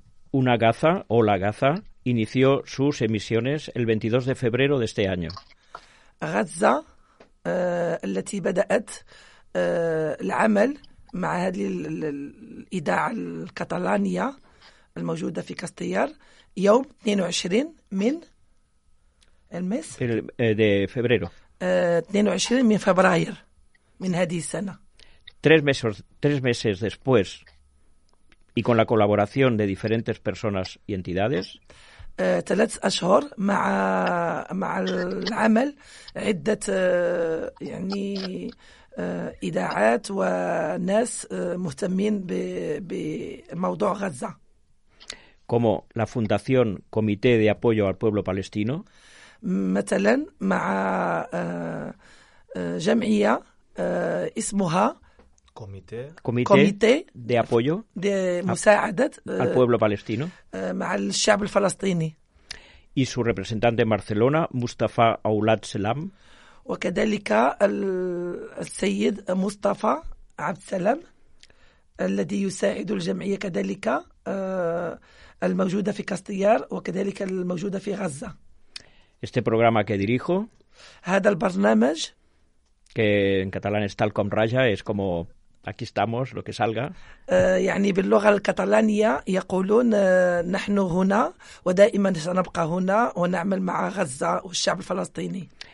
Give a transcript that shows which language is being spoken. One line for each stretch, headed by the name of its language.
Spanish: Una Gaza o la Gaza inició sus emisiones el 22 de febrero de este año.
Arabic: غزة التي بدأت العمل مع هذه الإذاعة الكتالانية الموجودة في كاستيار يوم 22 من المس
Spanish: de febrero.
Arabic: 22 من فبراير. من هذه السنة.
Spanish: Tres meses después y con la colaboración de diferentes personas y entidades.
Arabic: ثلاث أشهر مع العمل عدة يعني إذاعات وناس مهتمين بموضوع غزة.
Spanish: Como la Fundación Comité de Apoyo al Pueblo Palestino.
Arabic: مثلا مع جمعية اسمها
Spanish: كوميتي de apoyo de
Arabic: مساعدة
Spanish: al pueblo palestino
Arabic: مع الشعب الفلسطيني
Spanish: y su representante en Barcelona مصطفى أولاد سلام
Arabic: وكذلك السيد مصطفى عبد السلام الذي يساعد الجمعية كذلك الموجودة في كاستيار وكذلك الموجودة في غزة.
Spanish: Este programa que dirijo
Arabic: هذا البرنامج
Spanish: que en catalán es
Catalan: tal com raja,
Spanish: es como aquí estamos, lo que salga.
Arabic: يعني باللغة الكتالانية يقولون نحن هنا ودائما سنبقى هنا ونعمل مع غزة والشعب الفلسطيني.